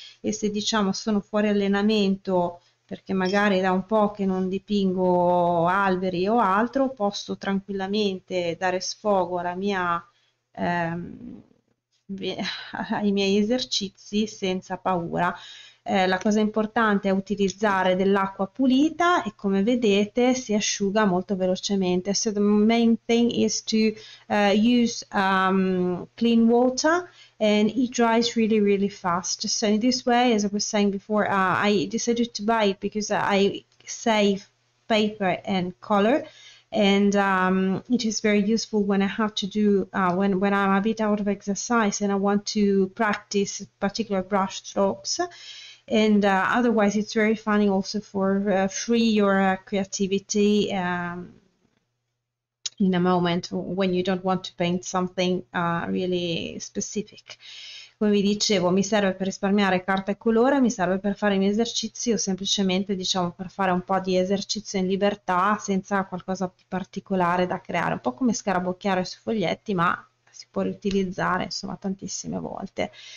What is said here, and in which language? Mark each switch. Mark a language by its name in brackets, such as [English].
[Italian] E se, diciamo, sono fuori allenamento, perché magari da un po' che non dipingo alberi o altro, posso tranquillamente dare sfogo alla mia ai miei esercizi senza paura. La cosa importante è utilizzare dell'acqua pulita, e come vedete si asciuga molto velocemente. [English] So the main thing is to use clean water, and it dries really, really fast. So in this way, as I was saying before, I decided to buy it because I save paper and color, and it is very useful when I have to do when I'm a bit out of exercise and I want to practice particular brush strokes. And otherwise, it's very funny also for free your creativity in a moment when you don't want to paint something really specific. [Italian] Come vi dicevo, mi serve per risparmiare carta e colore, mi serve per fare i miei esercizi, o semplicemente, diciamo, per fare un po' di esercizio in libertà senza qualcosa di particolare da creare, un po' come scarabocchiare su foglietti, ma si può riutilizzare, insomma, tantissime volte.